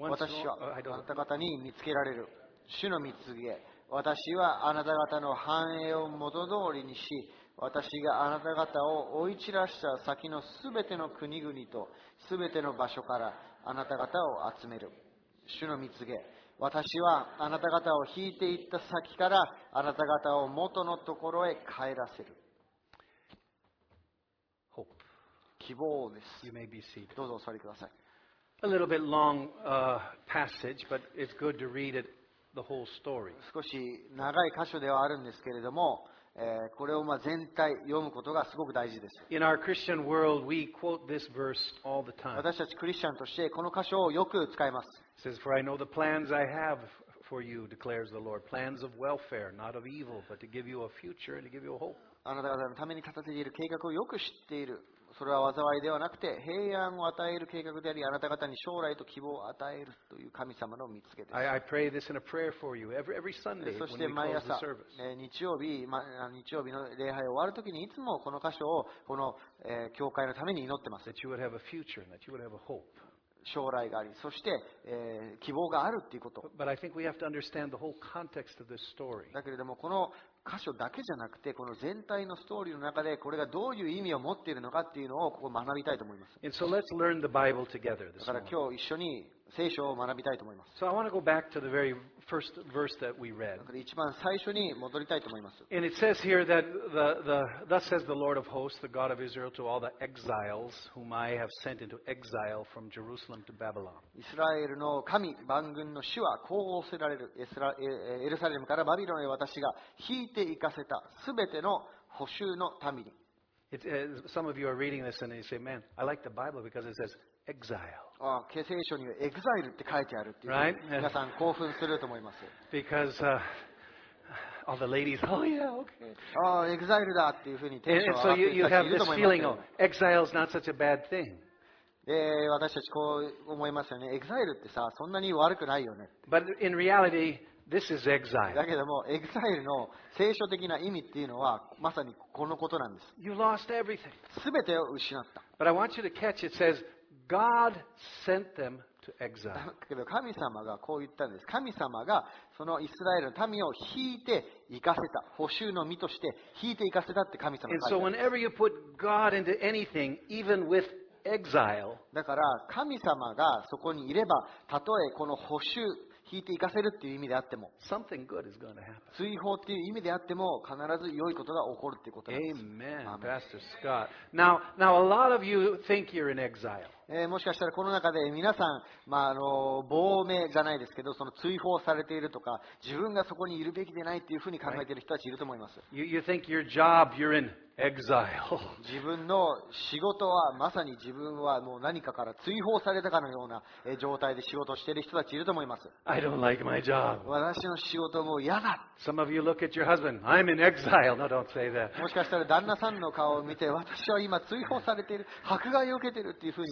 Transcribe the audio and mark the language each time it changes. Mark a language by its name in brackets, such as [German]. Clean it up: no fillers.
[Japanese] 私はあなた方に見つけられる。主の見告げ、私はあなた方の繁栄を元通りにし、私があなた方を追い散らした先のすべての国々とすべての場所からあなた方を集める。主の見告げ、私はあなた方を引いていった先からあなた方を元のところへ帰らせる。 [English] Hope. [Japanese] 希望です。 [English] You may be seated. [Japanese] どうぞお座りください。 [English] A little bit long passage, but it's good to read it, the whole story. [Japanese] 少し長い箇所ではあるんですけれども、これをまあ全体読むことがすごく大事です。 [English] In our Christian world, we quote this verse all the time. [Japanese] 私たちクリスチャンとしてこの箇所をよく使います。 [English] It says, "For I know the plans I have for you," declares the Lord, "plans of welfare, not of evil, but to give you a future and to give you a hope." [Japanese] あなた方のために立てている計画をよく知っている。それは災いではなくて平安を与える計画であり、あなた方に将来と希望を与えるという神様の見つけです。 [English] I pray this in a prayer for you every Sunday. [Japanese] そして毎朝日曜日の礼拝を終わるときにいつもこの箇所をこの教会のために祈ってます。 [English] That you would have a future and that you would have a hope. [Japanese] 将来があり、そして希望があるということ。 [English] But I think we have to understand the whole context of this story. [Japanese] だけれどもこの箇所だけじゃなくて、この全体のストーリーの中でこれがどういう意味を持っているのかっていうのをここ学びたいと思います。 [English] And so let's learn the Bible together this morning. [Japanese] だから今日一緒に聖書を学びたいと思います。 [English] So I want to go back to the very first verse that we read. [Japanese] だから一番最初に戻りたいと思います。 [English] And it says here that thus says the Lord of hosts, the God of Israel, to all the exiles whom I have sent into exile from Jerusalem to Babylon. [Japanese] イスラエルの神、万軍の主はこう仰せられる。エルサレムからバビロンへ私が引いて行かせたすべての捕囚の民に。 [English] Some of you are reading this and you say, "Man, I like the Bible because it says exile." [Japanese] ああ、旧約聖書にはエグザイルって書いてあるっていう、 [English] right? [Japanese] 皆さん興奮すると思います。 [English] Because all the ladies, oh yeah, okay. [Japanese] ああ、エグザイルだっていうふうにテンション上がって、 [English] so you have this feeling of exile is not such a bad thing. [Japanese] 私たちこう思いますよね。エグザイルってさ、そんなに悪くないよね。 [English] But in reality, this is exile. [Japanese] だけどもエグザイルの聖書的な意味っていうのはまさにこのことなんです。 [English] You lost everything. [Japanese] 全てを失った。 [English] But I want you to catch it says,God sent them to exile. [Japanese] だけど神様がこう言ったんです。神様がそのイスラエルの民を引いて行かせた。捕囚の身として引いて行かせたって神様が [English] whenever you put God into anything, even with exile, [Japanese] だから神様がそこにいれば、たとえこの捕囚、引いて行かせるっていう意味であっても、 [English] something good is going to happen. [Japanese] 追放っていう意味であっても、必ず良いことが起こるっていうことなんです。 [English] Amen, Pastor Scott. Now, a lot of you think you're in exile. [Japanese] もしかしたらこの中で皆さん、まあ、亡命じゃないですけど、その追放されているとか、自分がそこにいるべきでないというふうに考えている人たちいると思います。 [English] Right. You think your job, you're in exile. [Japanese] 自分の仕事は、まさに自分はもう何かから追放されたかのような状態で仕事をしている人たちいると思います。 [English] I don't like my job. [Japanese] 私の仕事も嫌だ。 [English] Some of you look at your husband, I'm in exile. No, don't say that. [Japanese] もしかしたら旦那さんの顔を見て、私は今追放されている、迫害を受けているというふうに。